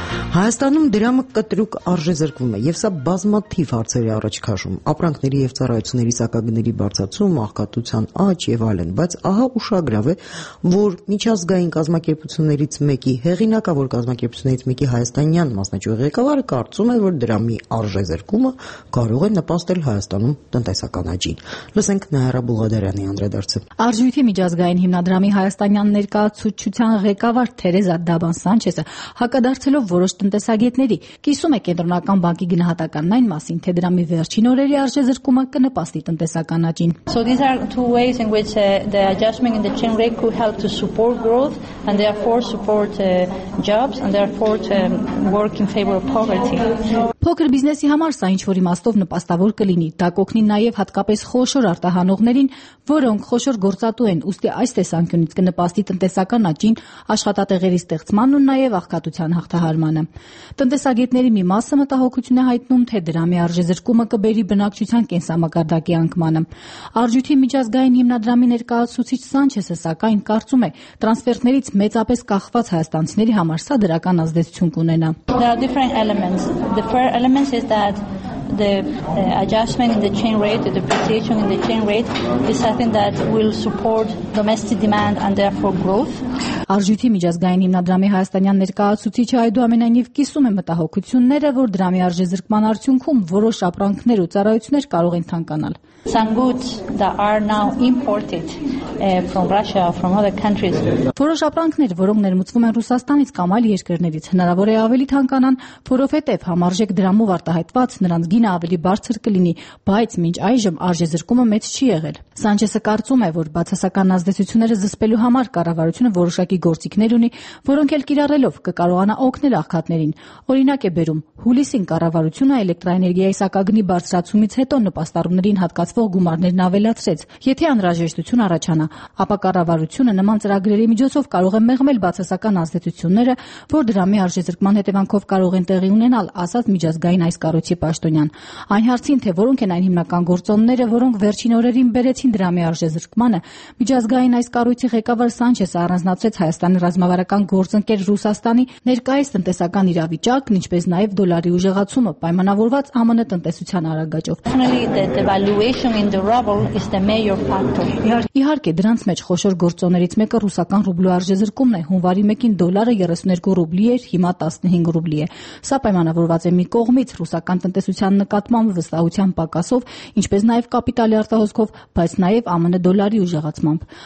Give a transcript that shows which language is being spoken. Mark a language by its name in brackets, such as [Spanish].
[Armenian] Հայաստանում դրամը կտրուկ արժե զրկվում է, եւ սա բազմաթիվ հարցերի առաջ քաշում՝ ապրանքների եւ ծառայությունների սակագների բարձացում, աղքատության աճ եւ այլն, բայց ահա ուշագրավ է, որ միջազգային կազմակերպություններից մեկի, հեղինակավոր կազմակերպություններից մեկի հայաստանյան մասնաճյուղի ղեկավարը կարծում է, որ դրամի արժե զրկումը կարող է նպաստել Հայաստանում տնտեսական աճին։ Լսենք Նահերա Բուլադարյանի անդրադարձը։ Արժույթի միջազգային հիմնադրամի հայաստանյան ներկայացուցչության ղեկավար Թերեզա Դաբան Սանչեսը, հակադարձելով տնտեսագետների, կիսում է կենտրոնական բանկի գնահատականն այն մասին, թե դրամի վերջին օրերի արժե զրկումը կնպաստի տնտեսական աճին։ [English] So these are two ways in which the adjustment in the chin rate could help to support growth and therefore support jobs and therefore to work in favor of poverty. [Armenian] Փոքր բիզնեսի համար սա ինչ-որ իմաստով նպաստավոր կլինի, դա կօգնի նաև հատկապես խոշոր արտահանողներին, որոնք խոշոր գործատու են, ուստի այս տեսանկյունից կնպաստի տնտեսական աճին, աշխատատեղերի ստեղծմանն ու նաև աղքատության հաղթահարմանը։ Տնտեսագետների մի մասը մտահոգություն է հայտնում, թե դրամի արժե զրկումը կբերի բնակչության կենսամակարդակի անկմանը։ Արժույթի միջազգային հիմնադրամի ներկայացուցիչ Սանչեսը, սակայն, կարծում է, տրանսֆերտներից մեծապես կախված հայաստանցիների համար սա դրական ազդեցություն կունենա։ [English] The first element is that the adjustment in the chain rate, the depreciation in the chain rate, is something that will support domestic demand and therefore growth. [Armenian] Արժույթի միջազգային հիմնադրամի հայաստանյան ներկայացուցիչը այդուամենայնիվ կիսում է մտահոգությունները, որ դրամի արժե զրկման արդյունքում որոշ ապրանքներ ու ծառայություններ կարող են թանկանալ. [English] Some goods that are now imported from Russia or from other countries. [Armenian] Որոշ ապրանքներ, որոնք ներմուծվում են Ռուսաստանից կամ այլ երկրներից, հնարավոր է ավելի թանկանան, որովհետև համարժեք դրամով արտահայտված նրանց գինը ավելի բարձր կլինի, բայց մինչ այժմ արժե զրկումը մեծ չի եղել։ Սանչեսը կարծում է, որ բացասական ազդեցությունները զսպելու համար կառավարությունը որոշակի գործիքներ ունի, որոնք էլ կիրառելով կկարողանա օգնել աղքատներին։ Օրինակ է բերում, հուլիսին կառավարությունը էլեկտրաէներգիայի սակագնի բարձրացումից հետո նպաստառումներին հատկացվող գումարներն ավելացրեց։ Եթե անհրաժեշտություն առաջանա, ապա կառավարությունը նման ծրագրերի միջոցով կարող է մեղմել բացասական ազդեցությունները, որ դրամի արժե զրկման հետևանքով կարող են տեղի ունենալ, ասաց միջազգային այս կառույցի պաշտոնյան։ Այն հարցին, թե որոնք են այն հիմնական գործոնները, որոնք վերջին օրերին բերեցին դրամի արժե զրկմանը, միջազգային այս կառույցի ղեկավար Սանչեսը առանձնացրեց Հայաստանի ռազմավարական գործընկեր Ռուսաստանի ներկայիս տնտեսական իրավիճակն, ինչպես նաև դոլարի ուժեղացումը պայմանավորված ԱՄՆ տնտեսության արագաճով։ [English] Valuation in the ruble is the major factor. [Armenian] Իհարկե, դրանց մեջ խոշոր գործոններից մեկը ռուսական ռուբլու արժե զրկումն է։ Հունվարի 1-ին դոլարը 32 ռուբլի էր, հիմա 15 ռուբլի է։ Սա պայմանավորված է մի կողմից ռուսական տնտեսության նկատմամբ վստահության պակասով, ինչպես նաև կապիտալի արտահոսքով, բայց նաև ԱՄՆ դոլարի ուժեղացմամբ։